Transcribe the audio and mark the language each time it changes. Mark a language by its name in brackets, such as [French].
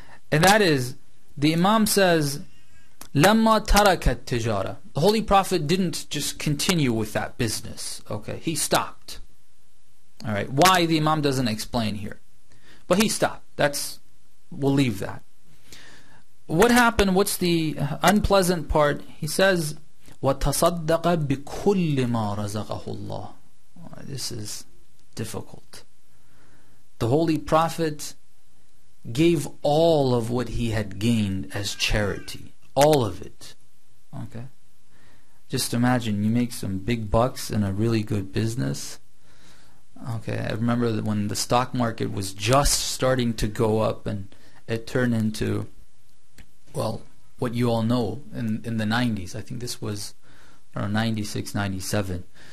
[English] And that is, the Imam says, [Arabic] لَمَّا تَرَكَ التِّجَارَةَ. [English] The Holy Prophet didn't just continue with that business. Okay, he stopped. All right, why, the Imam doesn't explain here. But he stopped. We'll leave that. What happened? What's the unpleasant part? He says, [Arabic] وَتَصَدَّقَ بِكُلِّ مَا رَزَقَهُ اللَّهُ. [English] This is difficult. The Holy Prophet gave all of what he had gained as charity. All of it. Okay. Just imagine, you make some big bucks in a really good business. Okay, I remember that when the stock market was just starting to go up and it turned into, well, what you all know, in the 90s, I think this was around 96, 97.